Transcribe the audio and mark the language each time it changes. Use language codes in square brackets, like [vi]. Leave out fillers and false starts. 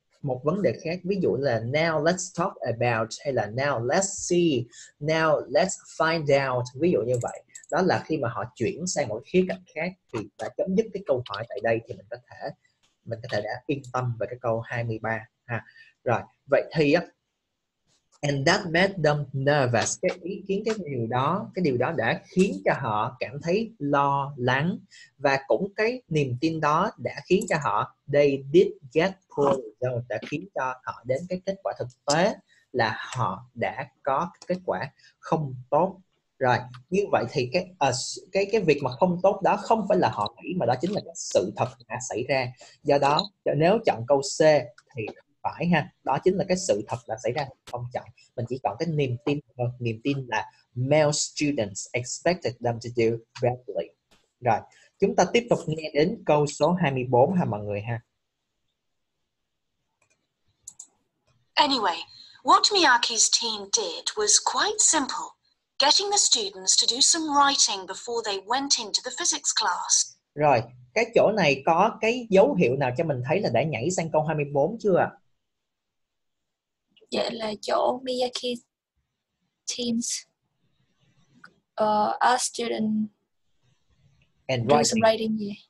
[vi] Một vấn đề khác, ví dụ là [en] now let's talk about, [vi] hay là [en] now let's see, now let's find out, [vi] ví dụ như vậy. Đó là khi mà họ chuyển sang một khía cạnh khác, thì đã chấm dứt cái câu hỏi tại đây, thì mình có thể đã yên tâm về cái câu 23 ha. Rồi, vậy thì á, [en] and that made them nervous. [vi] Cái ý kiến cái điều đó đã khiến cho họ cảm thấy lo lắng, và cũng cái niềm tin đó đã khiến cho họ [en] they did get poor results, [vi] đã khiến cho họ đến cái kết quả thực tế là họ đã có kết quả không tốt. Rồi, như vậy thì cái việc mà không tốt đó không phải là họ nghĩ, mà đó chính là cái sự thật đã xảy ra. Do đó, nếu chọn câu C thì phải ha, đó chính là cái sự thật là xảy ra, không chọn. Mình chỉ chọn cái niềm tin thôi. Niềm tin là [en] male students expected them to do badly. [vi] Rồi, chúng ta tiếp tục nghe đến câu số 24 ha mọi người ha. [en] Anyway, what Miyake's team did was quite simple. Getting the students to do some writing before they went into the physics class. [vi] Rồi, cái chỗ này có cái dấu hiệu nào cho mình thấy là đã nhảy sang câu 24 chưa ạ? Vậy là chỗ Miyake's teams [en] ask student and writing. Do some writing, yeah.